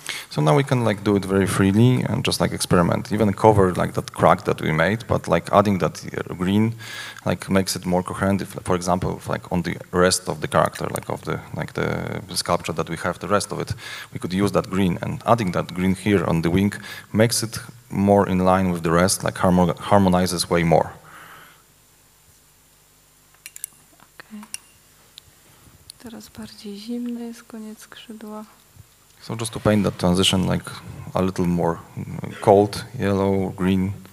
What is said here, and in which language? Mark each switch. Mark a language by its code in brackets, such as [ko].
[en] So now we can like do it very freely and just like experiment, even cover like that crack that we made, but like adding that green like makes it more coherent, if, for example, if, like on the rest of the character, like of the sculpture that we have, the rest of it, we could use that green, and adding that green here on the wing makes it more in line with the rest, like harmonizes way more. Okay. [pl] Teraz bardziej zimny jest koniec skrzydła. [en] So just to paint that transition like a little more cold, yellow, green.